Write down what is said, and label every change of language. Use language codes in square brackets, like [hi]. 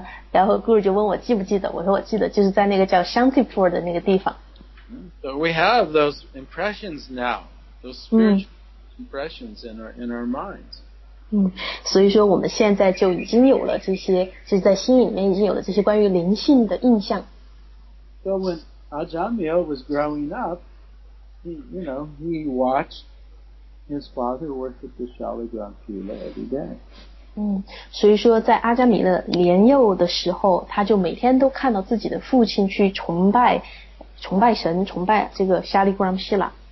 [zh] 然后 Guru 就问我记不记得，我说我记得，就是在那个叫 Shantipur 的那个地方。 [en] So we have those impressions now, those spiritual impressions in our minds. [zh] 所以说我们现在就已经有了这些，就是在心里面已经有了这些关于灵性的印象。 [en] So when Ajamil was growing up, he watched his father worship the Shaligram Shila every day. [zh] 所以说在阿加米勒年幼的时候，他就每天都看到自己的父亲去崇拜神，崇拜这个 Shaligram Shila。